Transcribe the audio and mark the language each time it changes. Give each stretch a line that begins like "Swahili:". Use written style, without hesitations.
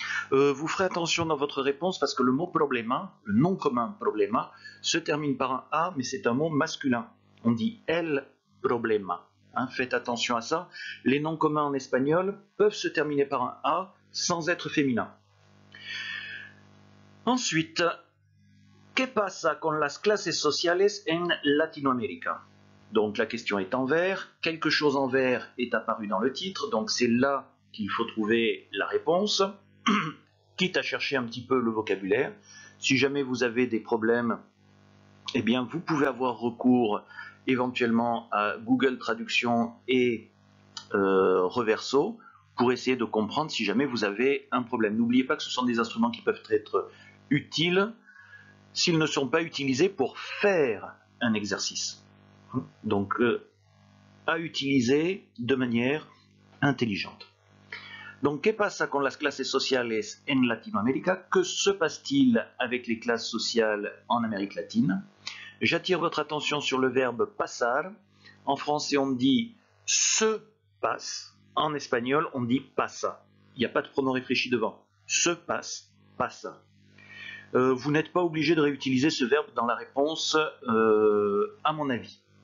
French: Vous ferez attention dans votre réponse parce que le mot problema, le nom commun problema, se termine par un A, mais c'est un mot masculin. On dit
Spanish: el problema.
French: Hein, faites attention à ça. Les noms communs en espagnol peuvent se terminer par un A sans être féminin.
Spanish: Ensuite, ¿qué pasa con las clases sociales en Latinoamérica?
French: Donc la question est en vert, quelque chose en vert est apparu dans le titre, donc c'est là qu'il faut trouver la réponse, quitte à chercher un petit peu le vocabulaire. Si jamais vous avez des problèmes, eh bien vous pouvez avoir recours éventuellement à Google Traduction et Reverso pour essayer de comprendre si jamais vous avez un problème. N'oubliez pas que ce sont des instruments qui peuvent être utiles s'ils ne sont pas utilisés pour faire un exercice. Donc, à utiliser de manière intelligente.
Spanish: Donc, ¿qué pasa con las clases sociales en Latinoamérica?
French: Que se passe-t-il avec les classes sociales en Amérique latine? J'attire votre attention sur le verbe pasar. En français, on dit se passe. En espagnol, on dit pasa. Il n'y a pas de pronom réfléchi devant. Se passe, pasa. Vous n'êtes pas obligé de réutiliser ce verbe dans la réponse, à mon avis.